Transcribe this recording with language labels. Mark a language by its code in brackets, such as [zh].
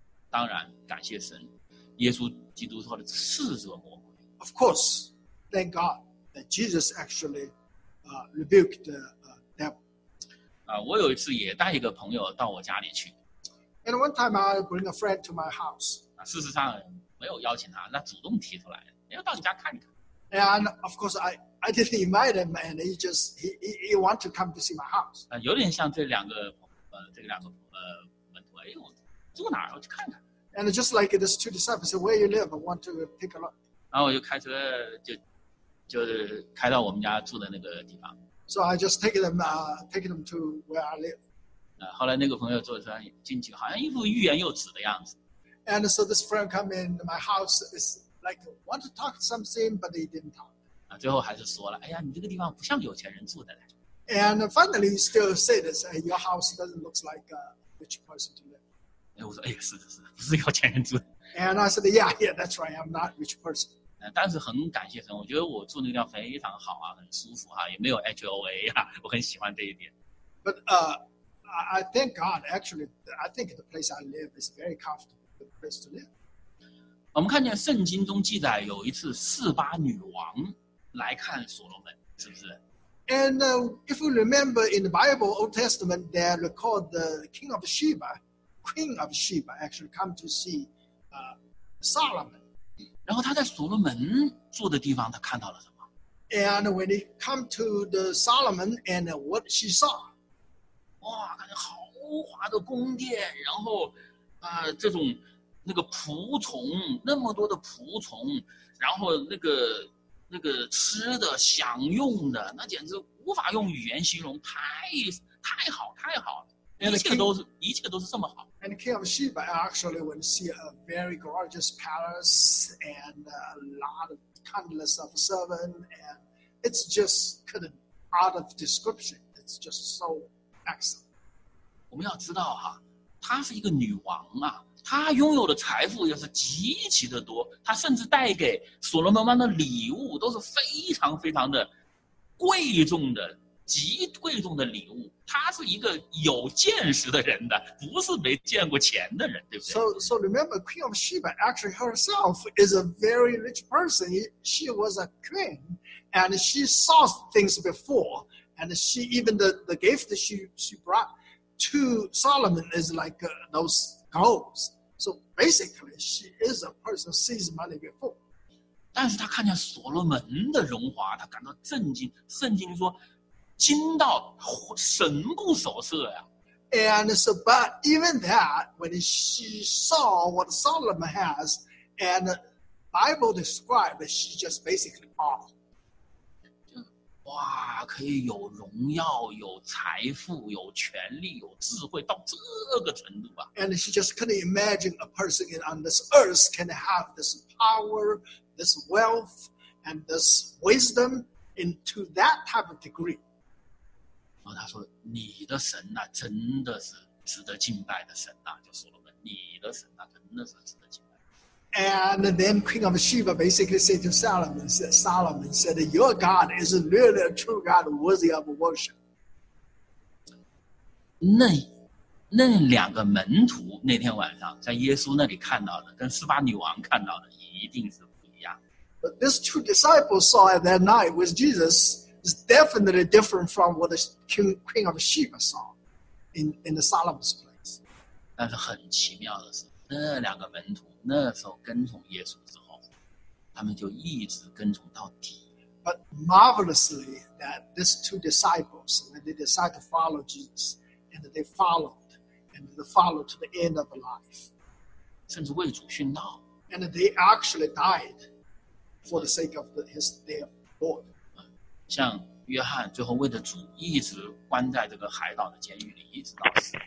[zh] 当然，感谢神，耶稣基督说的斥责魔鬼。 [en] Of course. Thank God that Jesus actually rebuked the devil. [zh] 我有一次也带一个朋友到我家里去。 [en] And one time I bring a friend to my house. [zh] 事实上没有邀请他，那主动提出来，你要到你家看看。 [en] And of course I didn't invite him, and he want to come to see my house. [zh] 有点像这两个门徒，哎，我住哪儿？我去看看。 [en] And just like these two disciples, say, where you live, I want to take a look. [zh] 然后我就开车就开到我们家住的那个地方。 [en] So I just take them to where I live. [zh] 后来那个朋友坐车进去，好像一副欲言又止的样子。 [en] And so this friend come in my house is like want to talk something, but they didn't talk. [zh] 啊，最后还是说了，哎呀，你这个地方不像有钱人住的嘞。 [en] And finally, still said, "Say your house doesn't look like a rich person to live." [zh] 哎，我说，哎，是，不是有钱人住的。 [en] And I said, "Yeah, that's right. I'm not a rich person." [zh] 但是很感谢神，我觉得我住那个地方非常好啊，很舒服啊，也没有 HOA 啊，我很喜欢这一点。 [en] But I thank God. Actually, I think the place I live is very comfortable place to live. [zh] 我们看见圣经中记载有一次示巴女王来看所罗门，是不是？ [en] And if you remember in the Bible, Old Testament, they record the king of Sheba, queen of Sheba, actually come to see Solomon. [zh] 然后他在所罗门住的地方，他看到了什么？ [en] And when he come to the Solomon, and what she saw? [zh] 哇，感觉豪华的宫殿，然后这种那个仆从，那么多的仆从，然后那个吃的享用的，那简直无法用语言形容，太好了，一切都是这么好。 [en] And the king of Sheba actually would see a very gorgeous palace and a lot of countless of servants, and it's just kind of out of description. It's just so excellent. [zh] 我们要知道哈，她是一个女王啊。他拥有的财富也是极其的多，他甚至带给所罗门王的礼物都是非常非常的贵重的，极贵重的礼物。他是一个有见识的人的，不是没见过钱的人，对不对？ [en] So remember, Queen of Sheba actually herself is a very rich person. She was a queen, and she saw things before, and she even the gift that she brought to Solomon is like those. Goals. So basically, she is a person who sees money before. [zh] 但是她看见所罗门的荣华，她感到震惊。圣经说，惊到神不守舍呀。 [en] And so, but even that, when she saw what Solomon has, and the Bible describes, she just basically awed. [zh] 哇，可以有荣耀、有财富、有权力、有智慧到这个程度啊 [en] ！And she just couldn't imagine a person on this earth can have this power, this wealth, and this wisdom into that type of degree. [zh] 然后他说：“你的神呐、啊，真的是值得敬拜的神呐、啊！” 就说了嘛，你的神呐、啊，真的是值得敬拜。 [en] And then Queen of Sheba basically said to Solomon, your God is really a true God worthy of worship. [zh] 那两个门徒那天晚上在耶稣那里看到的跟示巴女王看到的一定是不一样。 [en] But these two disciples saw at that night with Jesus is definitely different from what the Queen of Sheba saw in the Solomon's place. [zh] 但是很奇妙的是那两个门徒那时候跟从耶稣之后，他们就一直跟从到底。 [en] But marvelously, that these two disciples, when they decide to follow Jesus, and they followed, and they followed to the end of life. [zh] 甚至为主殉道。 [en] And they actually died for the sake of his dear Lord. [zh] 像约翰最后为了主一直关在这个海岛的监狱里，一直到死。